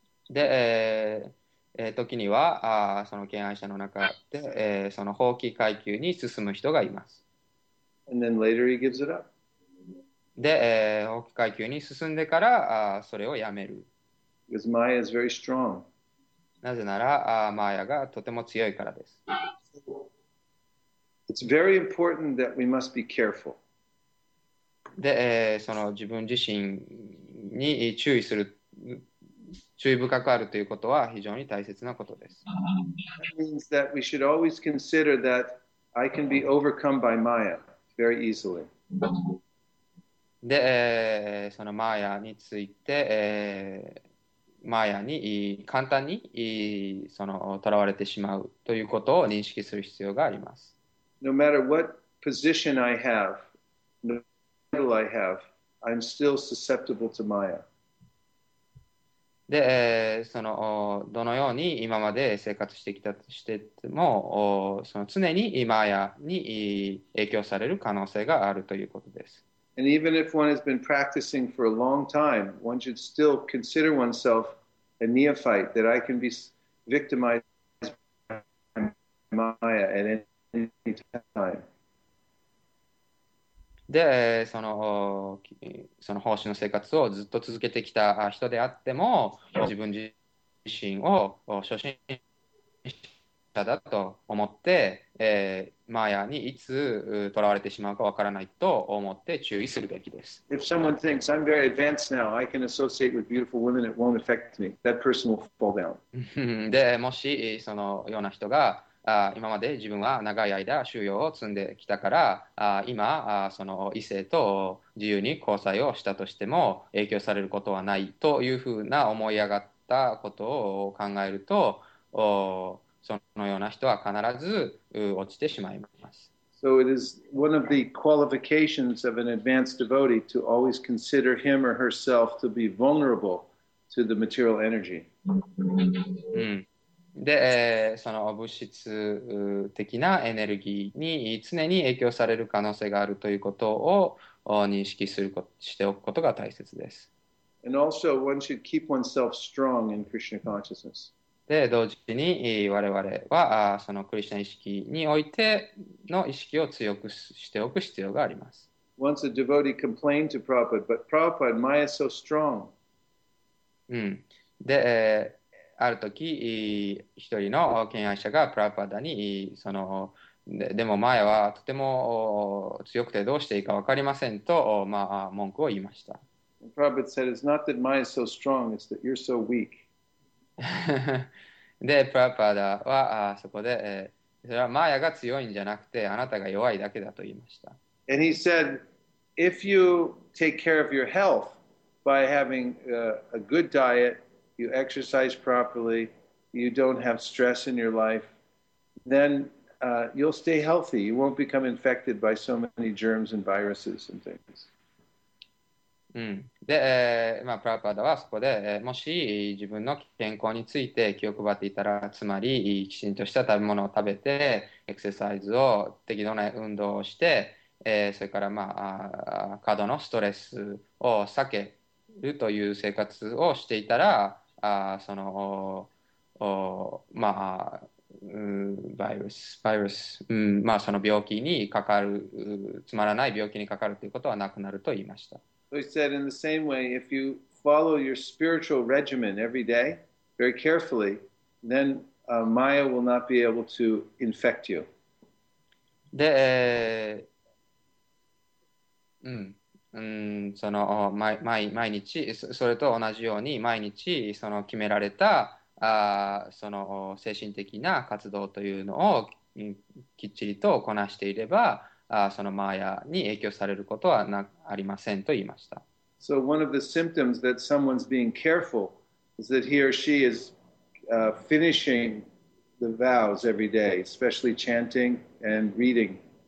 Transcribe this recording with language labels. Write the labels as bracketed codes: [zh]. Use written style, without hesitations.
[ja] で、時にはその敬愛者の中で、その放棄階級に進む人がいます。 [en] And then later he gives it up. [ja] で、放棄階級に進んでからそれをやめる。 [en] Because Maya is very strong. [ja] なぜなら、マーヤがとても強いからです。 [en] It's very important that we must be careful. [ja] で、その自分自身に注意する。注意深くあるということは非常に大切なことです。 [en] That means that we should always consider that I can be overcome by Maya very easily. [ja] で、そのマーヤについて、マーヤに簡単にその囚われてしまうということを認識する必要があります。 [en] No matter what position I have, no title I have, I'm still susceptible to Maya. [ja] で、そのどのように今まで生活してきたとしても、その常にマーヤに影響される可能性があるということです。 [en] And even if one has been practicing for a long time, one should still consider oneself a neophyte that I can be victimized by Maya at any time. [ja] で、その奉仕の生活をずっと続けてきた人であっても、自分自身を初心者だと思って、マーヤにいつ囚われてしまうかわからないと思って注意するべきです。 [en] If someone thinks I'm very advanced now, I can associate with beautiful women, it won't affect me. That person will fall down. [ja] で、もしそのような人が、今まで自分は長い間修行を積んできたから、今その異性と自由に交際をしたとしても影響されることはないというふうな思い上がったことを考えると、そのような人は必ず落ちてしまいます。 [en] So it is one of the qualifications of an advanced devotee to always consider him or herself to be vulnerable to the material energy. [ja] で、その物質的なエネルギーに常に影響される可能性があるということを認識するこしておくことが大切です。 [en] And also, one should keep oneself strong in Krishna consciousness. [ja] で、同時に我々はそのクリシナ意識においての意識を強くしておく必要があります。 [en] Once a devotee complained to Prabhupada, but Prabhupada, Maya is so strong. [ja] で、ある時一人の敬愛者がプラパダにその でもマヤはとても強くてどうしていいか分かりませんと、まあ、文句を言いました。 [en] プラパダ said it's not that Maya is so strong, it's that you're so weak. [ja] でプラパダはそこでそれはマヤが強いんじゃなくてあなたが弱いだけだと言いました。 [en] And he said if you take care of your health by having a good dietYou exercise properly, you don't have stress in your life, then you'll stay healthy. You won't become infected by so many germs and viruses and things. [ja] で、まあ、プラパダはそこで、もし自分の健康について気を配っていたら、つまりきちんとした食べ物を食べて、エクササイズを適度な運動をして、それから、まあ、過度のストレスを避けるという生活をしていたら、そのまあバイルス、まあその病気にかかる、つまらない病気にかかるということはなくなると言いました。 [en] So he said, in the same way, if you follow your spiritual regimen every day, very carefully, then Maya will not be able to infect you. [ja] で、その毎日それと同じように毎日その決められたその精神的な活動というのをきっちりとこなしていればそのマーヤに影響されることはありませんと言いました。 [en] So one of the symptoms that someone's being careful is that he or she is finishing the vows every day, especially chanting and reading.